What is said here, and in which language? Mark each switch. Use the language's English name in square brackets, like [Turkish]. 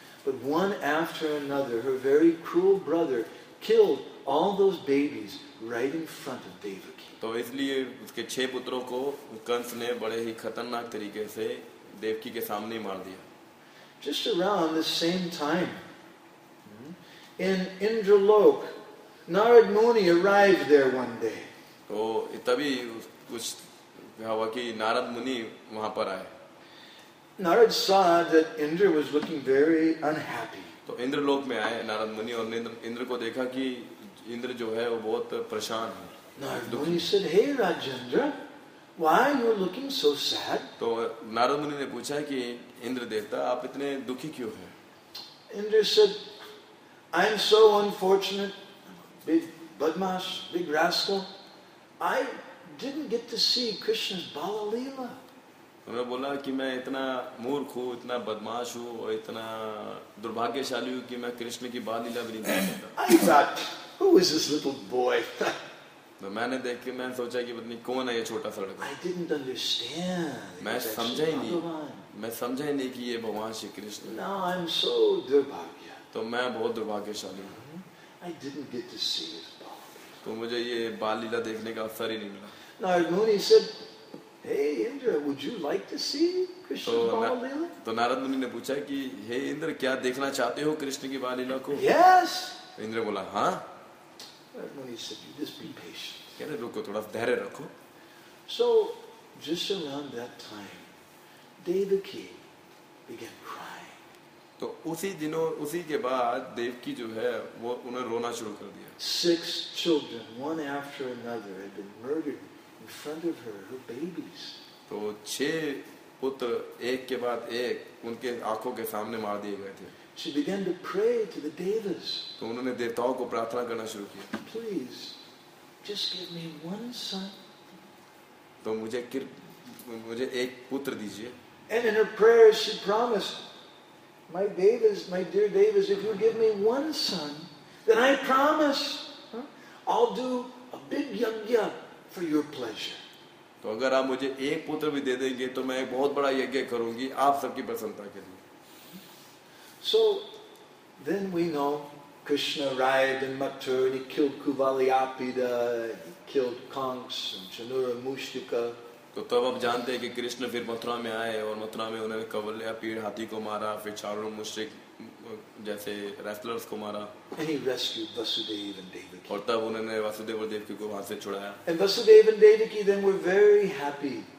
[English] But one after another, her very cruel brother killed all those babies right in front of Devaki. [Hindi] तो इसलिए उसके 6 पुत्रों को कंस ने बड़े ही खतरनाक तरीके से देवकी के सामने मार दिया. [English] Just around the same time, in Indralok, Narad Muni arrived there one day. [Hindi] तो तभी कुछ हुआ कि नारद मुनि वहाँ पर आए. [English] Narad saw that Indra was looking very unhappy. [Hindi] तो इंद्रलोक में आए नारद मुनि और इंद्र को देखा कि इंद्र जो है वो बहुत परेशान है. [English] Narad Muni said, "Hey, Rajendra, why are you looking so sad?" [Hindi] तो नारद मुनि ने पूछा कि इंद्र देवता आप इतने दुखी क्यों हैं? [English] Indra said, "I am so unfortunate, big badmash, big rascal. I didn't get to see Krishna's Bala Leela." [Hindi] उन्होंने बोला कि मैं इतना मूर्ख हूँ, इतना बदमाश हूँ और इतना दुर्भाग्यशाली हूँ कि मैं कृष्ण की बाल लीला भी नहीं देख सकता. [English] I thought, who is this little boy? [Hindi] तो मैंने देख के मैंने सोचा कि पत्नी कौन है ये छोटा सा लड़का. [English] I didn't understand. [Hindi] मैं समझा ही नहीं. मैं समझा ही नहीं कि ये भगवान Shri Krishna. [English] Now I'm so [Hindi] दुर्भाग्य. तो मैं बहुत दुर्भाग्यशाली हूँ. [English] I didn't get to see his ball. [Hindi] तो मुझे ये बाल लीला देखने का अवसर ही नहीं मिला. [English] Narad Muni said, "Hey Indra, would you like to see Krishna's Bala Leela?" [Hindi] तो नारद मुनि ने पूछा कि हे इंद्र क्या देखना चाहते हो कृष्ण की बाल लीला को? [English] Yes. [Hindi] इंद्र बोला हाँ. [English] Narad Muni said, "You just be patient." [Hindi] कह रहे रुको थोड़ा धैर्य रखो. [English] So just around that time, Devaki began crying. [Hindi] तो उसी दिनों उसी के बाद देवकी जो है वो उन्हें रोना शुरू कर दिया. [English] 6 children, one after another, had been murdered in front of her, her babies. [Hindi] तो 6 पुत्र एक के बाद एक उनके आंखों के सामने मार दिए गए थे. [English] She began to pray to the devas. [Hindi] तो उन्होंने देवताओं को प्रार्थना करना शुरू किया. [English] Please, just give me one son. [Hindi] तो मुझे एक पुत्र दीजिए. [English] And in her prayers, she promised, "My devas, my dear devas, if you give me one son, then I promise, I'll do a big yajna." [Hindi] तो अगर आप मुझे एक पुत्र भी दे देंगे तो मैं एक बहुत बड़ा यज्ञ करूंगी आप सबकी प्रसन्नता के लिए. [English] So then we know Krishna arrived in Mathura and he killed Kuvalyapida, he killed Kongs and Chanura Mushtika. [Hindi] तो तब आप जानते हैं कि कृष्ण फिर मथुरा में आए और मथुरा में उन्होंने कवल्यापीड हाथी को मारा, फिर चारुण मुष्टिक जैसे रेसलर्स को मारा. [English] And he rescued Vasudev and Devaki. [Hindi] और तब उन्होंने वसुदेव और देवकी को वहां से छुड़ाया. [English] And Vasudev and Devaki then were very happy.